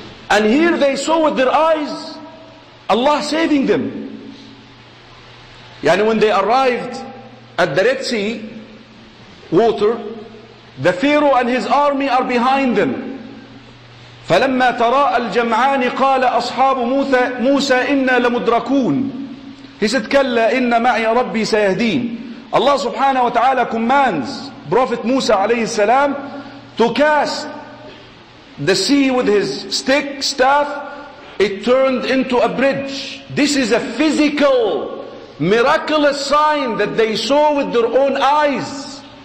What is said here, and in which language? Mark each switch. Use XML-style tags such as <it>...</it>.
<en>And here they saw with their eyes Allah saving them.</en> <ar>يعني</ar> <en>when they arrived at the Red Sea water, The Pharaoh and his army are behind them.</en> <ar>فلما تراءى الجمعان قال أصحاب موسى إنا لمدركون.</ar> <en>He said,</en> <ar>كلا إن معي ربي سيهدين.</ar> <en>Allah subhanahu wa ta'ala commands Prophet Musa alayhi salam to cast the sea with his stick, staff. It turned into a bridge. This is a physical, miraculous sign that they saw with their own eyes.</en>